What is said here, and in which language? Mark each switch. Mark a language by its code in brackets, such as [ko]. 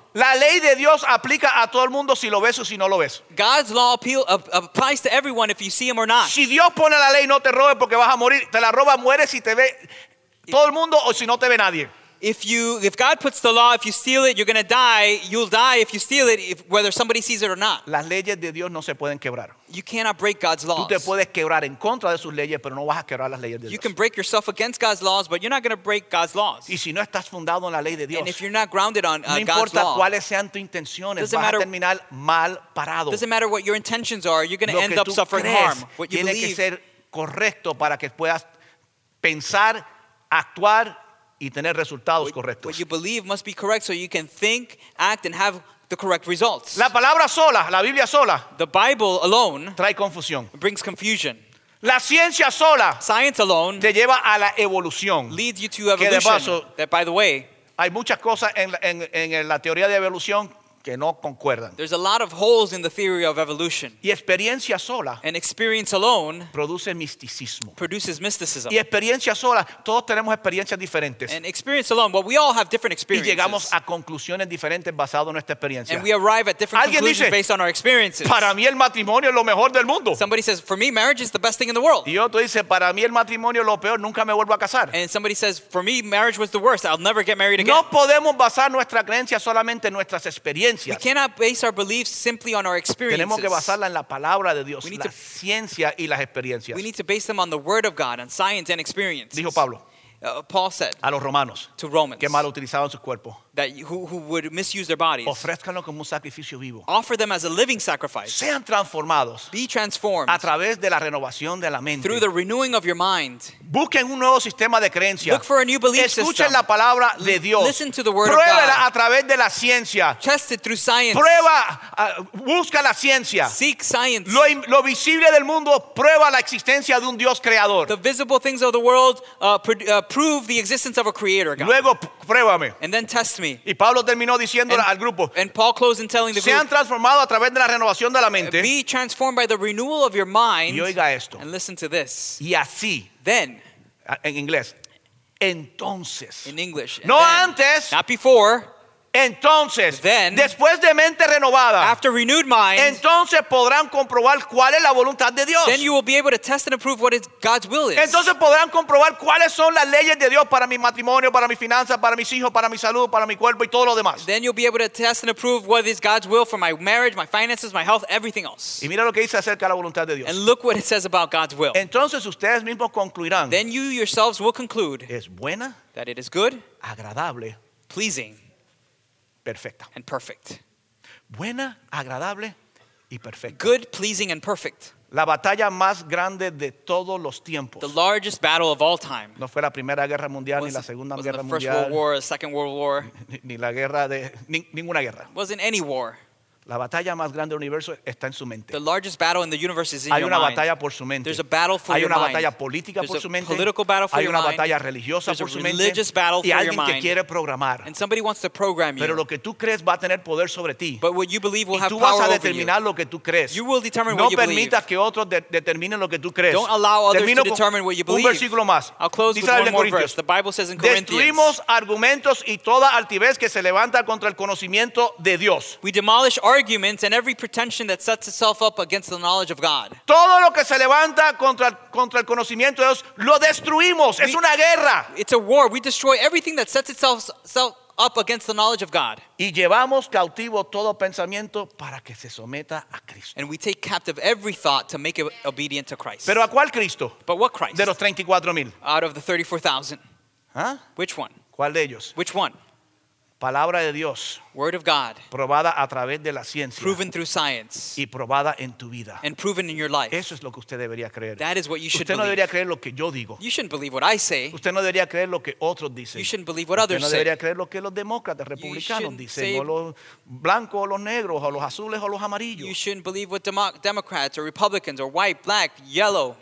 [es] La ley de Dios aplica a todo el mundo si lo ves o si no lo ves. [en] God's law applies to everyone if you see him or not. [es] Si Dios pone la ley, no te robes porque vas a morir. Te la roba, mueres si te ve todo el mundo o si no te ve nadie. [en] If God puts the law, if you steal it, you're going to die. You'll die if you steal it, whether somebody sees it or not. [es] Las leyes de Dios no se pueden quebrar. [en] You cannot break God's laws. [es] Tú te puedes quebrar en contra de sus leyes, pero no vas a quebrar las leyes de Dios. [en] You can break yourself against God's laws, but you're not going to break God's laws. [es] Y si no estás fundado en la ley de Dios, [en] and if you're not grounded on [es] no [en] God's law, [es] no importa cuáles sean tus intenciones, vas a terminar mal parado. [en] Doesn't matter what your intentions are, you're going to end up suffering harm. What you believe [es] tiene que ser correcto para que puedas pensar, actuar y tener resultados correctos. [en] What you believe must be correct so you can think, act, and have the correct results. [es] La palabra sola, la Biblia sola, [en] the Bible alone [es] trae confusión. [en] Brings confusion. [es] La ciencia sola, [en] science alone [es] te lleva a la evolución. [en] Leads you to evolution. [es] Que de paso, [en] that by the way, [es] hay muchas cosas en la teoría de evolución que no concuerdan. [en] There's a lot of holes in the theory of evolution. [es] Y experiencia sola. [en] And experience alone [es] produce misticismo. [en] Produces mysticism. [es] Y experiencia sola, todos tenemos experiencias diferentes. [en] And experience alone, but we all have different experiences. [es] Y llegamos a conclusiones diferentes basado en nuestra experiencia. [en] And we arrive at different [es] alguien [en] conclusions based on our experiences. [es] Para mí el matrimonio es lo mejor del mundo. [en] Somebody says, for me, marriage is the best thing in the world. [es] Y otro dice, para mí el matrimonio es lo peor, nunca me vuelvo a casar. [en] And somebody says, for me, marriage was the worst, I'll never get married again. [es] No podemos basar nuestra creencia solamente en nuestras experiencias. [en] We cannot base our beliefs simply on our experiences. [es] Tenemos que basarla en la palabra de Dios, la ciencia y las experiencias. [en] We need to base them on the word of God, on science and experience. [es] Dijo Pablo. [en] Paul said [es] a los romanos, [en] to Romans [es] que mal utilizaban sus cuerpos, [en] that who would misuse their bodies, [es] ofrézcanlo como un sacrificio vivo, [en] offer them as a living sacrifice, [es] sean transformados, [en] be transformed, [es] a través de la renovación de la mente, [en] through the renewing of your mind, [es] busquen un nuevo sistema de creencia, [en] look for a new belief [es] escuchen escuchen la palabra de Dios, [en] listen to the word [es] pruébala [en] of God, [es] pruébala a través de la ciencia, [en] test it through science, [es] prueba, busca la ciencia, [en] seek science, [es] lo visible del mundo prueba la existencia de un Dios creador, [en] the visible things of the world prove the existence of a creator, God. [es] Luego, pruébame. [en] And then test me. [es] Y Pablo terminó diciendo al grupo, [en] and Paul closed in telling the group, [es] sean transformado a través de la renovación de la mente. [en] Be transformed by the renewal of your mind. [es] Y oiga esto. [en] And listen to this. [es] Y así. [en] Then. [es] En inglés. Entonces. [en] In English. [es] No [en] then, [es] antes. [en] Not before. [es] Entonces, [en] then, [es] después de mente renovada, [en] after renewed mind, [es] entonces podrán comprobar cuál es la voluntad de Dios. [en] Then you will be able to test and approve what God's will is. [es] Entonces podrán comprobar cuáles son las leyes de Dios para mi matrimonio, para mi finanzas, para mis hijos, para mi salud, para mi cuerpo y todo lo demás. [en] Then you'll be able to test and approve what is God's will for my marriage, my finances, my health, everything else. [es] Y mira lo que dice acerca de la voluntad de Dios. [en] And look what it says about God's will. [es] Entonces ustedes mismos concluirán. [en] Then you yourselves will conclude. [es] Es buena. [en] That it is good. [es] Agradable. [en] Pleasing. [es] Perfecta. [en] And perfect. [es] Buena, agradable y perfecta. [en] Good, pleasing and perfect. [es] La batalla más grande de todos los tiempos. [en] The largest battle of all time. [es] No fue la Primera Guerra Mundial ni la Segunda Guerra Mundial. [en] Wasn't the First World War, the Second World War. [es] Ni la guerra de ninguna guerra. [en] Wasn't any war. [es] La batalla más grande del universo está en su mente. [en] The largest battle in the universe is in your mind. [es] Hay una batalla por su mente. [en] There's a battle for your mind. [es] Hay una batalla política por su mente. [en] There's a political battle for your mind. [es] Hay una batalla religiosa por su mente. [en] There's a religious battle for your mind. [es] Y alguien te quiere programar. [en] And somebody wants to program you. [es] Pero lo que tú crees va a tener poder sobre ti. [en] But what you believe will have power over you. [es] Y tú vas a determinar lo que tú crees. [en] You will determine what you believe. [es] No permitas que otros determinen lo que tú crees. [en] Don't allow others to determine what you believe. [es] Un versículo más. [en] I'll close with one more verse. The Bible says in Corinthians. [es] Destruimos argumentos y toda altivez que se levanta contra el conocimiento de Dios. [en] We demolish arguments and every pretension that sets itself up against the knowledge of God. [es] Todo lo que se levanta contra el conocimiento de Dios lo destruimos. Es una guerra. [en] It's a war. We destroy everything that sets itself up against the knowledge of God. [es] Y llevamos cautivo todo pensamiento para que se someta a Cristo. [en] And we take captive every thought to make it obedient to Christ. [es] ¿Pero a cuál Cristo? [en] But what Christ? [es] De los 34,000. [en] Out of the 34,000. ¿Ah? Which one? [es] ¿Cuál de ellos? [en] Which one? [es] Palabra de Dios, [en] word of God, [es] probada a través de la ciencia, [en] proven through science, [es] y probada en tu vida, [en] and proven in your life. [es] Eso es lo que usted debería creer. [en] That is what you should believe. [es] no debería creer lo que yo digo. [en] You shouldn't believe what I say. [es] Usted no debería creer lo que otros dicen. [en] You shouldn't believe what others say. [es] Usted no debería creer lo que los demócratas, republicanos dicen, o los blancos, o los negros, o los azules, o los amarillos. [en] You shouldn't believe what Democrats or Republicans or white, black, yellow,